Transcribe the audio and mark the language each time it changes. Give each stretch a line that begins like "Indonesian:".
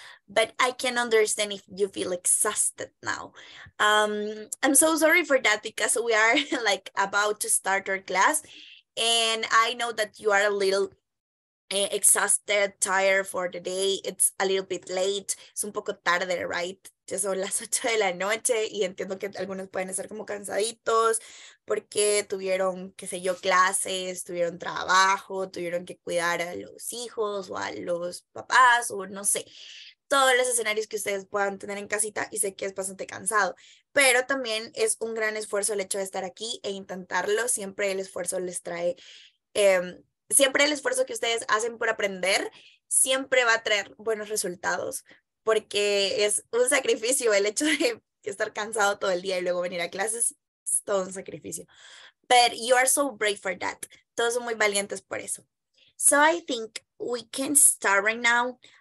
English: But I can understand if you feel exhausted now. I'm so sorry for that because we are like about to start our class. And I know that you are a little exhausted, tired for the day. It's a little bit late.
Spanish: Es un poco tarde,
English: right?
Spanish: Ya son las 8 de la noche y entiendo que algunos pueden estar como cansaditos porque tuvieron, qué sé yo, clases, tuvieron trabajo, tuvieron que cuidar a los hijos o a los papás o no sé. Todos los escenarios que ustedes puedan tener en casita y sé que es bastante cansado, pero también es un gran esfuerzo el hecho de estar aquí e intentarlo. Siempre el esfuerzo les trae, siempre el esfuerzo que ustedes hacen por aprender siempre va a traer buenos resultados, porque es un sacrificio el hecho de estar cansado todo el día y luego venir a clases, es todo un sacrificio.
English: But you are so brave for that.
Spanish: Todos son muy valientes por eso.
English: So I think we can start right now.